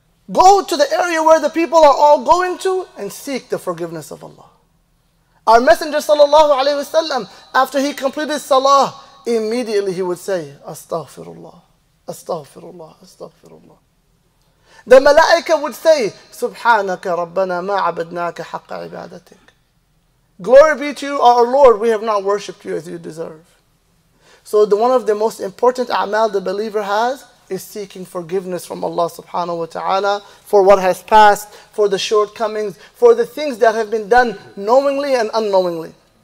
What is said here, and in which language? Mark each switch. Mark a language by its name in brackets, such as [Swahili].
[English] Go to the area where the people are all going to and seek the forgiveness of Allah. Our Messenger sallallahu alayhi wasallam, after he completed salah, immediately he would say, [Arabic] أَسْتَغْفِرُ اللَّهِ أَسْتَغْفِرُ اللَّهِ أَسْتَغْفِرُ اللَّهِ. [English] The malaika would say, [Arabic] سُبْحَانَكَ رَبَّنَا مَا عَبَدْنَاكَ حَقَّ عِبَادَتِكَ. [English] Glory be to you, our Lord, we have not worshipped you as you deserve. So one of the most important a'mal the believer has is seeking forgiveness from Allah subhanahu wa ta'ala for what has passed, for the shortcomings, for the things that have been done knowingly and unknowingly.